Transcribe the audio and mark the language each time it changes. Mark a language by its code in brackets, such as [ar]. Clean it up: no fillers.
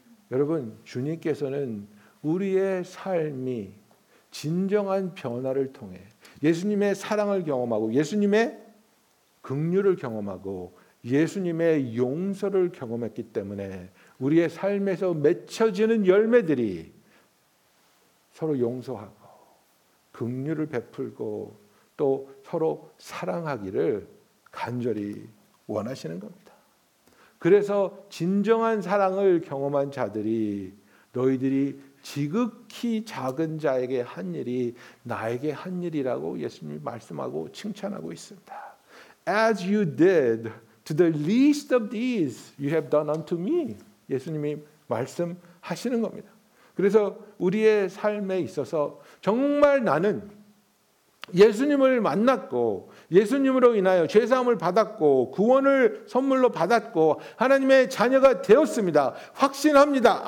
[ko] 여러분, 주님께서는 우리의 삶이 진정한 변화를 통해 예수님의 사랑을 경험하고 예수님의 긍휼을 경험하고 예수님의 용서를 경험했기 때문에 우리의 삶에서 맺혀지는 열매들이 서로 용서하고 긍휼을 베풀고 또 서로 사랑하기를 간절히 원하시는 겁니다. 그래서 진정한 사랑을 경험한 자들이 너희들이 지극히 작은 자에게 한 일이 나에게 한 일이라고 예수님이 말씀하고 칭찬하고 있습니다. [en] As you did to the least of these, you have done unto me. [ko] 예수님이 말씀하시는 겁니다. 그래서 우리의 삶에 있어서 정말 나는 예수님을 만났고 예수님으로 인하여 죄사함을 받았고 구원을 선물로 받았고 하나님의 자녀가 되었습니다. 확신합니다.